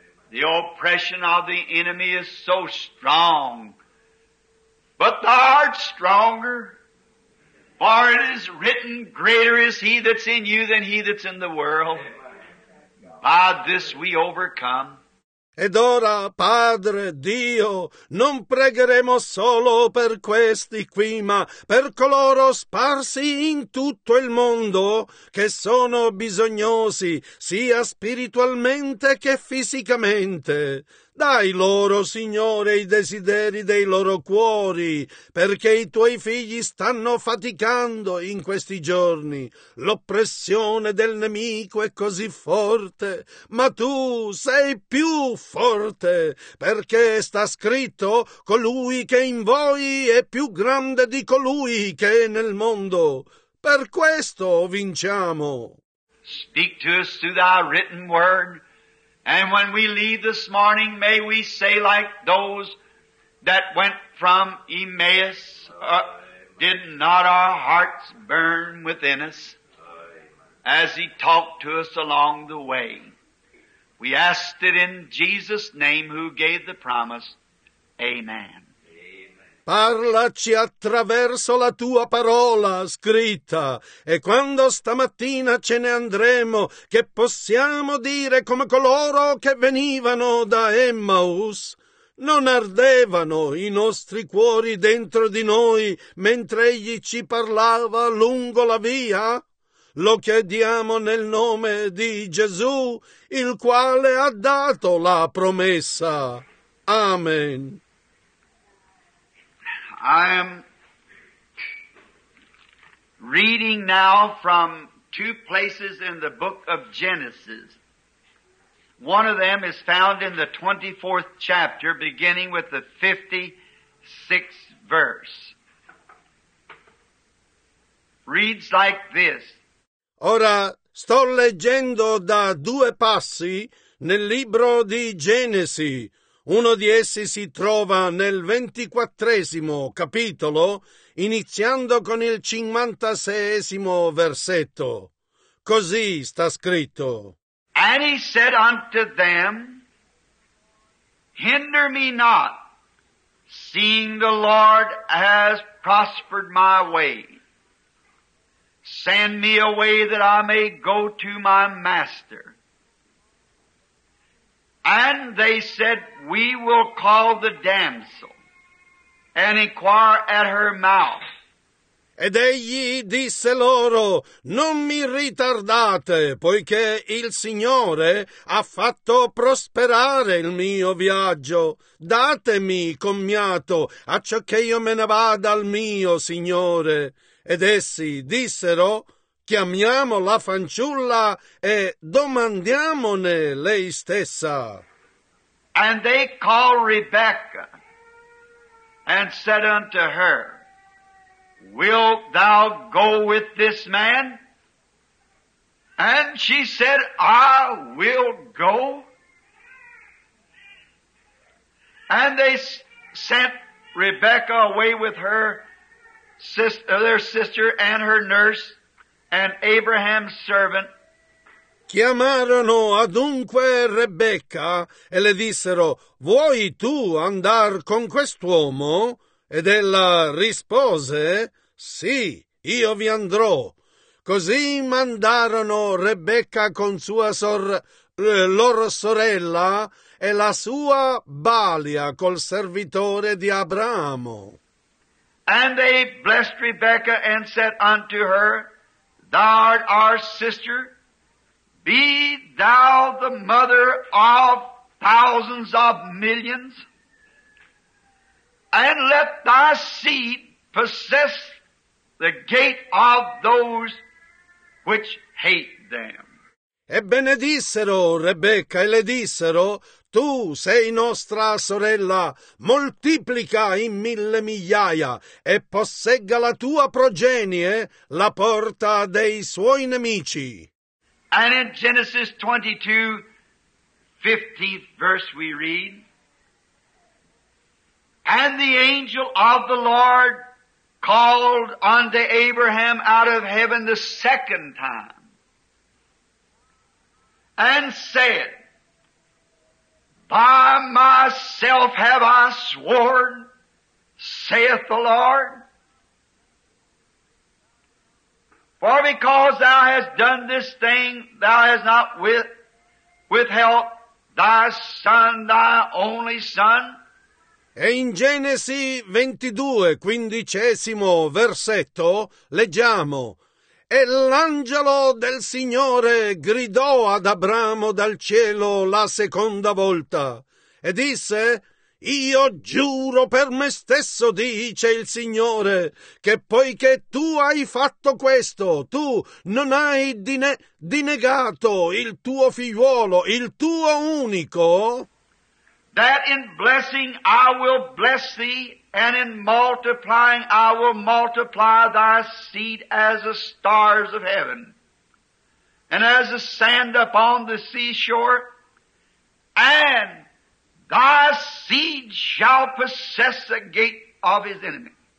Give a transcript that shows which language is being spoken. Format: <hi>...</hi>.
<en>The oppression of the enemy is so strong, but thou art stronger. For it is written, greater is he that's in you than he that's in the world. By this we overcome.</en> <it>Ed ora, Padre Dio, non pregheremo solo per questi qui, ma per coloro sparsi in tutto il mondo che sono bisognosi, sia spiritualmente che fisicamente. Dai loro, Signore, i desideri dei loro cuori, perché i tuoi figli stanno faticando in questi giorni. L'oppressione del nemico è così forte, ma tu sei più forte, perché sta scritto: colui che in voi è più grande di colui che è nel mondo. Per questo vinciamo.</it> <en>Speak to us through thy written word. And when we leave this morning, may we say like those that went from Emmaus, did not our hearts burn within us as he talked to us along the way? We asked it in Jesus' name who gave the promise. Amen.</en> <it>Parlaci attraverso la tua parola scritta, e quando stamattina ce ne andremo, che possiamo dire come coloro che venivano da Emmaus? Non ardevano i nostri cuori dentro di noi mentre egli ci parlava lungo la via? Lo chiediamo nel nome di Gesù, il quale ha dato la promessa. Amen.</it> <en>I am reading now from two places in the book of Genesis. One of them is found in the 24th chapter, beginning with the 56th verse. Reads like this.</en> <it>Ora sto leggendo da due passi nel libro di Genesi. Uno di essi si trova nel 24° capitolo, iniziando con il 56° versetto. Così sta scritto.</it> <en>And he said unto them, hinder me not, seeing the Lord has prospered my way. Send me away that I may go to my master. And they said, we will call the damsel and inquire at her mouth.</en> <it>Ed egli disse loro, non mi ritardate, poiché il Signore ha fatto prosperare il mio viaggio. Datemi commiato, acciò che io me ne vada al mio Signore. Ed essi dissero, chiamiamo la fanciulla e domandiamone lei stessa.</it> <en>And they called Rebecca, and said unto her, wilt thou go with this man? And she said, I will go. And they sent Rebecca away with her sister, their sister and her nurse, and Abraham's servant.</en> <it>Chiamarono adunque Rebecca e le dissero, vuoi tu andar con quest'uomo? Ed ella rispose, sì, io vi andrò. Così mandarono Rebecca con sua loro sorella e la sua balia col servitore di Abramo.</it> <en>And they blessed Rebecca and said unto her, thou art our sister. Be thou the mother of thousands of millions, and let thy seed possess the gate of those which hate them.</en> <it>E benedissero Rebecca e le dissero, tu sei nostra sorella, moltiplica in mille migliaia e possegga la tua progenie la porta dei suoi nemici.</it> <en>And in Genesis 22, 15th verse we read, And the angel of the Lord called unto Abraham out of heaven the second time and said, By myself have I sworn, saith the Lord, for because thou hast done this thing, thou hast not withheld thy son, thy only son.</en> <it>E in Genesi 22, quindicesimo versetto, leggiamo: E l'angelo del Signore gridò ad Abramo dal cielo la seconda volta, e disse: Io giuro per me stesso, dice il Signore, che poiché tu hai fatto questo, tu non hai dinegato il tuo figliuolo, il tuo unico,</it> <en>that in blessing I will bless thee, and in multiplying I will multiply thy seed as the stars of heaven, and as the sand upon the seashore, and thy seed shall possess the gate of his enemy.</en>